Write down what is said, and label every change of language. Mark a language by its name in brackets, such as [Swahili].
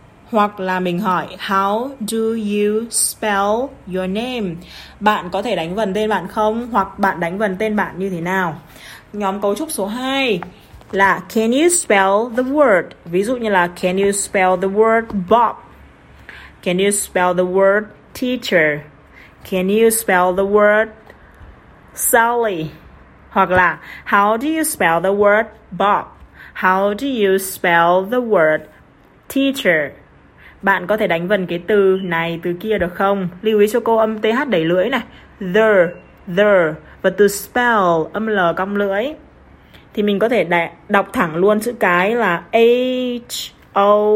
[Vietnamese] Hoặc là mình hỏi [English] how do you spell your name? [Vietnamese] Bạn có thể đánh vần tên bạn không? Hoặc bạn đánh vần tên bạn như thế nào? Nhóm cấu trúc số 2 là [English] can you spell the word? [Vietnamese] Ví dụ như là [English] can you spell the word Bob? Can you spell the word teacher? Can you spell the word Sally? [Vietnamese] Hoặc là [English] how do you spell the word Bob? How do you spell the word teacher? [Vietnamese] Bạn có thể đánh vần cái từ này, từ kia được không? Lưu ý cho cô âm TH đẩy lưỡi này. The và từ spell, âm L cong lưỡi. Thì mình có thể đọc thẳng luôn chữ cái là H-O-A.